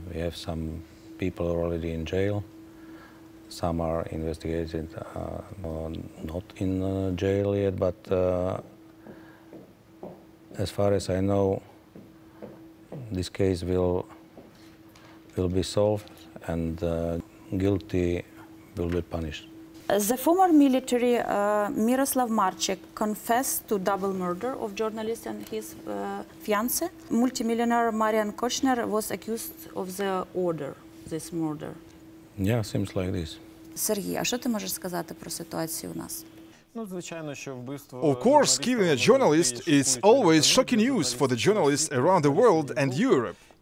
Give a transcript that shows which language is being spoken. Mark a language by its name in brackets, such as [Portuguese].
[English] We have some people already in jail. Some are investigated, not in jail yet, but as far as I know, this case will be solved and guilty will be punished. The former military Miroslav Marček confessed to double murder of journalist and his fiance. Multimillionaire Marian Kochner was accused of the order, this murder. Yeah, seems like this. [Ukrainian] Serhiy, а що ти можеш сказати про ситуацію у нас? Ну, звичайно, що вбивство. [English] Of course, killing a journalist is always shocking news for the journalists around the world and Europe.